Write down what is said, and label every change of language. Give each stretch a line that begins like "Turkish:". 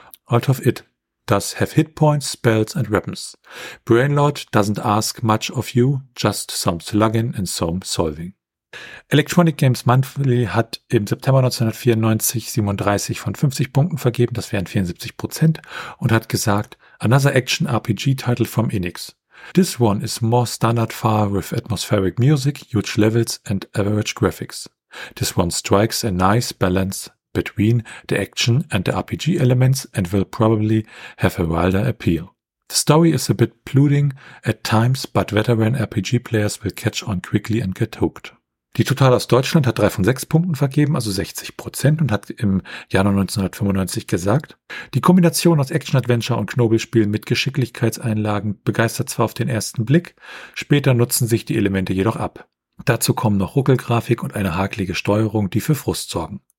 English: Out of it does have hit points, spells and weapons. Brainlord doesn't ask much of you, just some slugging and some solving."
German: Electronic Games Monthly hat im September 1994 37 von 50 Punkten vergeben, das wären 74%, und hat gesagt,
English: "Another action RPG title from Enix. This one is more standard fare with atmospheric music, huge levels and average graphics. This one strikes a nice balance between the action and the RPG elements and will probably have a wilder appeal. The story is a bit plodding at times, but veteran RPG players will catch on quickly and get hooked."
German: Die Total aus Deutschland hat 3 von 6 Punkten vergeben, also 60%, und hat im Januar 1995 gesagt, "Die Kombination aus Action-Adventure und Knobelspiel mit Geschicklichkeitseinlagen begeistert zwar auf den ersten Blick, später nutzen sich die Elemente jedoch ab. Dazu kommen noch Ruckelgrafik und eine hakelige Steuerung, die für Frust sorgen.